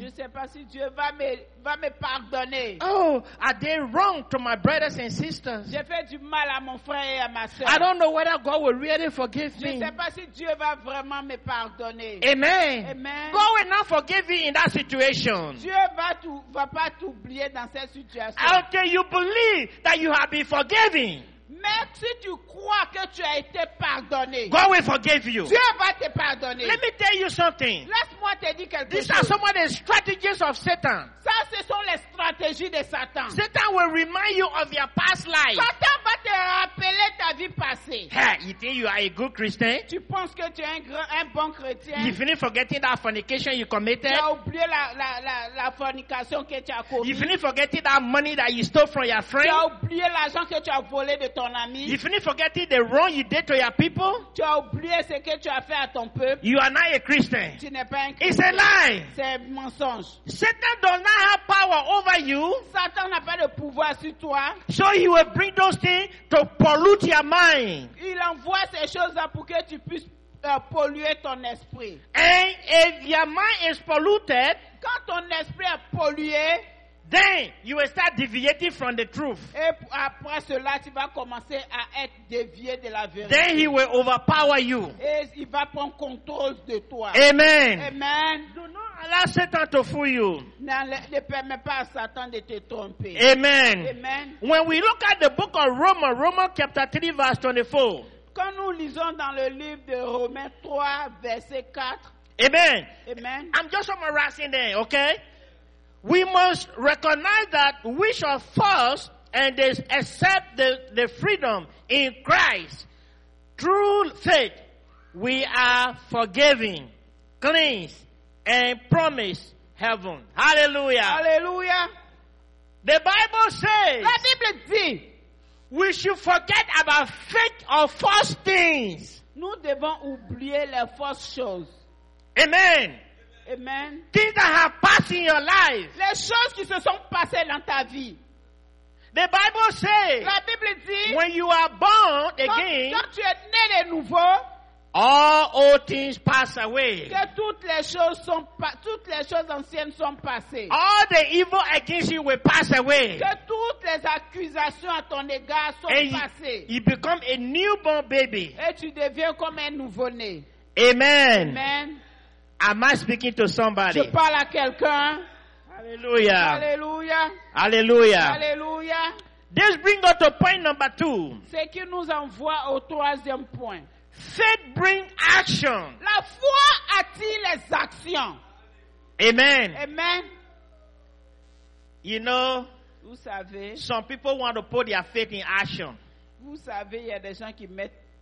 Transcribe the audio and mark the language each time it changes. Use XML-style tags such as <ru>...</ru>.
<fr>Je sais pas si Dieu va me pardonner.</fr> <en>Oh, I did wrong to my brothers and sisters.</en> <fr>J'ai fait du mal à mon frère et à ma sœur.</fr> <en>I don't know whether God will really forgive me.</en> <fr>Je sais pas si Dieu va vraiment me pardonner.</fr> <en>Amen.</en> <fr>Amen.</fr> <en>God will not forgive you in that situation.</en> <fr>Dieu va pas t'oublier dans cette situation.</fr> <en>How can you believe that you have been forgiven?</en> <fr>Même si tu crois que tu as été pardonné,</fr> <en>God will forgive you.</en> <fr>Dieu va te pardonner.</fr> <en>Let me tell you something.</en> <fr>Laisse-moi te dire quelque</fr> <en>These These are some of the strategies of Satan.</en> <fr>Ça, ce sont les stratégies de Satan.</fr> <en>Satan will remind you of your past life.</en> <fr>Satan va te rappeler ta vie passée.</fr> <en>Ha, you think you are a good Christian?</en> <fr>Tu penses que tu es un bon chrétien?</fr> <en>You finish forgetting that fornication you committed.</en> <fr>Tu as oublié la fornication que tu as commis.</fr> <en>You finish forgetting that money that you stole from your friend.</en> <fr>Tu as oublié l'argent que tu as volé de ton ami.</fr> <en>You finish forgetting the wrong you did to your people.</en> <fr>Tu as oublié ce que tu as fait à ton peuple.</fr> <en>You are not a Christian.</en> <fr>Tu n'es pas un chrétien.</fr> <en>It's a lie.</en> <fr>C'est un mensonge.</fr> <en>Satan does not have power over you.</en> <fr>Satan n'a pas de pouvoir sur toi.</fr> <en>So he will bring those things to pollute your mind.</en> <fr>Il envoie ces choses là pour que tu puisses polluer ton esprit.</fr> <en>And if your mind is polluted,</en> <fr>quand ton esprit est pollué,</fr> <en>then you will start deviating from the truth.</en> <fr>Et après cela, tu vas commencer à être dévié de la vérité.</fr> <en>Then he will overpower you.</en> <fr>Et il va prendre contrôle de toi.</fr> <en>Amen.</en> <fr>Amen.</fr> <en>Allow Satan to fool you.</en> <fr>Ne permet pas à Satan de te tromper.</fr> <en>Amen.</en> <fr>Amen.</fr> <en>When we look at the book of Romans, Romans chapter 3, verse 24.</en> <fr>Quand nous lisons dans le livre de Romains 3, verset 4.</fr> <en>Amen.</en> <fr>Amen.</fr> <en>I'm just summarizing there, okay? We must recognize that we shall fall and accept the freedom in Christ. Through faith, we are forgiven, cleansed, and promise heaven. Hallelujah.</en> <fr>Hallelujah.</fr> <en>The Bible says,</en> <fr>la Bible dit,</fr> <en>we should forget about fake or false things.</en> <fr>Nous devons oublier les fausses choses.</fr> <en>Amen.</en> <fr>Amen.</fr> <en>Things that have passed in your life.</en> <fr>Les choses qui se sont passées dans ta vie.</fr> <en>The Bible says,</en> <fr>la Bible dit,</fr> <en>when you are born again,</en> <fr>quand tu es né de nouveau,</fr> <en>all things pass away.</en> <fr>Que toutes les choses anciennes sont passées.</fr> <en>All the evil against you will pass away.</en> <fr>Que toutes les accusations à ton égard sont</fr> <en>and</en> <fr>passées.</fr> <en>You become a newborn baby.</en> <fr>Et tu deviens comme un nouveau-né.</fr> <en>Amen.</en> <fr>Amen.</fr> <en>Am I speaking to somebody?</en> <fr>Je parle à quelqu'un.</fr> <en>Hallelujah.</en> <fr>Hallelujah.</fr> <en>Hallelujah.</en> <fr>Hallelujah.</fr> <en>This brings us to point number two.</en> <fr>Ce qui nous envoie au troisième point.</fr> <en>Faith brings action.</en> <fr>La foi attire les actions.</fr> <en>Amen.</en> <fr>Amen.</fr> <en>You know,</en> <fr>vous savez,</fr> <en>some people want to put their faith in action.</en> <fr>Vous savez, il y a des gens qui mettent</fr>